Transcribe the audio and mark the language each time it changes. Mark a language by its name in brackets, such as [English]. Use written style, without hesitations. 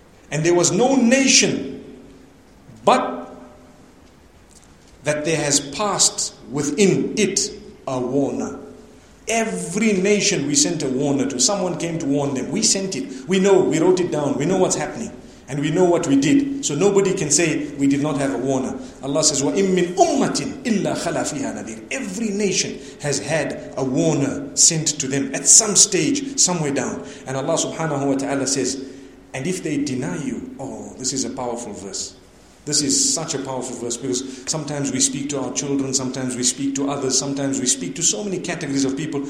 [English] And there was no nation but that there has passed within it a warner. Every nation we sent a warner to. Someone came to warn them. We sent it. We know. We wrote it down. We know what's happening. And we know what we did. So nobody can say we did not have a warner. Allah says, [Arabic] وَإِمْ مِنْ أُمَّةٍ إِلَّا خَلَى فِيهَا نَذِيرٍ. [English] Every nation has had a warner sent to them at some stage, somewhere down. And Allah subhanahu wa ta'ala says, and if they deny you, oh, this is a powerful verse. This is such a powerful verse because sometimes we speak to our children, sometimes we speak to others, sometimes we speak to so many categories of people.